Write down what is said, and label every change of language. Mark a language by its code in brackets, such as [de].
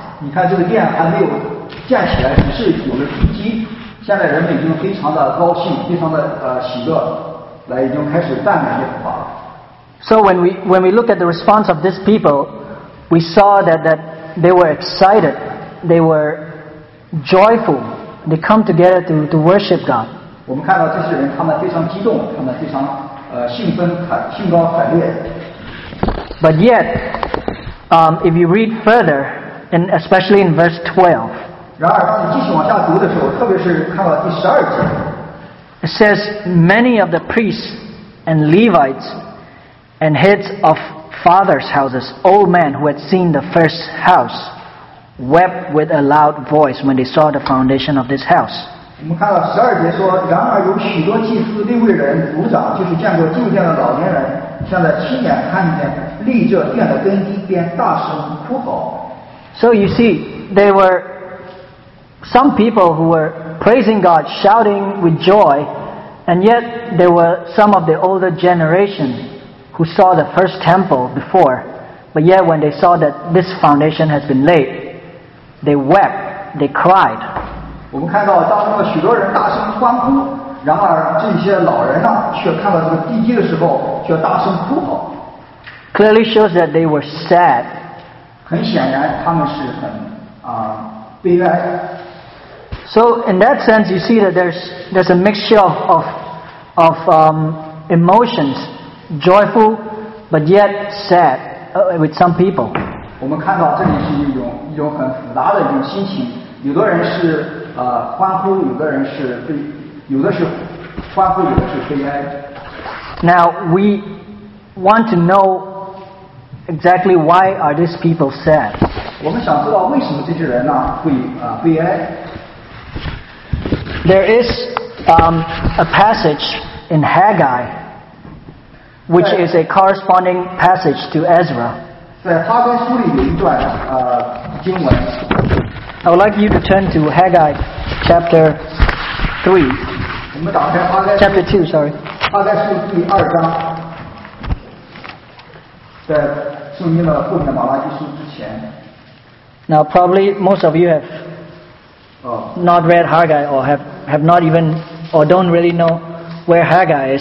[zh] 你看这个殿还没有建起来，只是有了地基。现在人们已经非常的高兴，非常的喜乐，来已经开始赞美耶和华。 [en] So when we look at the response of these people, we saw that they were excited, they were joyful, they come together to worship God. [zh] 我们看到这些人，他们非常激动，他们非常兴奋，兴高采烈。 [en] But yet, if you read further, and especially in verse 12. [zh] 然而当你继续往下读的时候，特别是看到第十二节， [en] It says many of the priests and Levites and heads of fathers' houses, old men who had seen the first house, wept with a loud voice when they saw the foundation of this house. [zh] 我们看到十二节说，然而有许多祭司、立位人、族长，就是见过旧殿的老年人，现在亲眼看见立这殿的根基，便大声哭嚎。 [en] So you see, they were. Some people who were praising God, shouting with joy, and yet there were some of the older generation who saw the first temple before, but yet when they saw that this foundation has been laid, they wept, they cried. [zh] 我们看到当中的许多人大声欢呼，然而这些老人呢，却看到这个地基的时候，却大声哭嚎。 [en] Clearly shows that they were sad. [zh] 很显然，他们是很悲哀。 [en] So in that sense, you see that there's a mixture of emotions, joyful, but yet sad with some people. [zh] 我们看到这里是一种很复杂的一种心情。有的人是欢呼，有的是悲哀。 [en] Now we want to know exactly why are these people sad. [zh] 我们想知道为什么这些人呢会悲哀。 [en] There is a passage in Haggai, which is a corresponding passage to Ezra. [zh] 在哈该书里有一段经文。 [en] I would like you to turn to Haggai chapter 3. [zh] 我们打开哈该书。 [en] Chapter 2, sorry. [zh] 哈该书第二章，在圣经的后面马拉基书之前。 [en] Now, probably most of you have. Not read Haggai or have not even or don't really know where Haggai is.